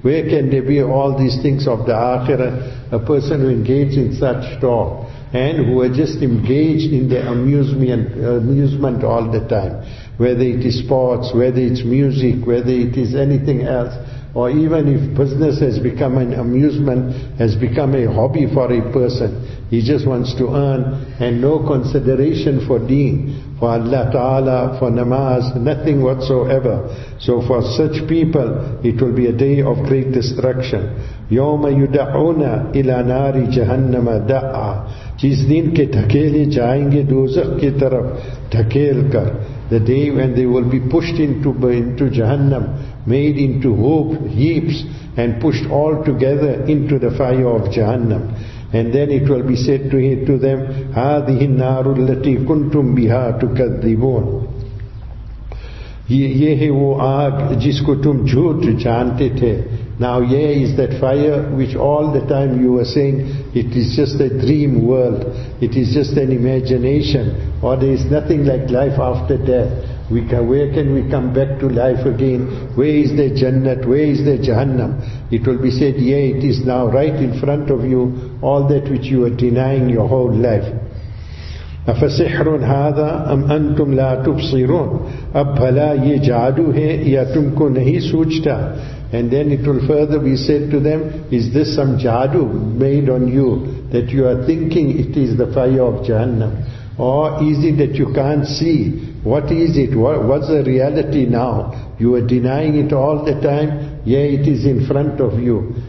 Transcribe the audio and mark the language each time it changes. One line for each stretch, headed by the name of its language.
English: Where can there be all these things of the akhirah? A person who engaged in such talk and who are just engaged in the amusement all the time, whether it is sports, whether it's music, whether it is anything else, or even if business has become an amusement, has become a hobby for a person, he just wants to earn and no consideration for deen, for Allah Ta'ala, for namaz, nothing whatsoever. So for such people, it will be a day of great destruction.
Arabic: يَوْمَ يُدَعُونَ إِلَى نَارِ جَهَنَّمَ دَعَى.
Urdu: جِس دِن کے دھکیلے جائیں گے دوزخ کی طرف دھکیل کر.
English: The day when they will be pushed into Jahannam, made into heaps, and pushed all together into the fire of Jahannam. And then it will be said to him, to them,
Arabic: هَذِهِ النَّارُ الَّتِي كُنْتُمْ بِهَا تُكَذِّبُونَ.
Urdu: یہ ہے وہ آگ جس کو تم جھوٹ جانتے تھے.
English: Now here is that fire which all the time you were saying, it is just a dream world, it is just an imagination, or there is nothing like life after death. Where can we come back to life again? Where is the Jannat? Where is the Jahannam? It will be said, yeah, it is now right in front of you, all that which you are denying your whole life.
Arabic: أَفَسِحْرٌ هَذَا أَمْ أَنْتُمْ لَا تُبْصِرُونَ.
Urdu: اَبْ بھلا یہ جادو ہے یا تم کو نہیں سوچتا.
English: And then it will further be said to them, is this some jadu made on you that you are thinking it is the fire of Jahannam? Or is it that you can't see? What is it? What's the reality now? You are denying it all the time. Yeah, it is in front of you.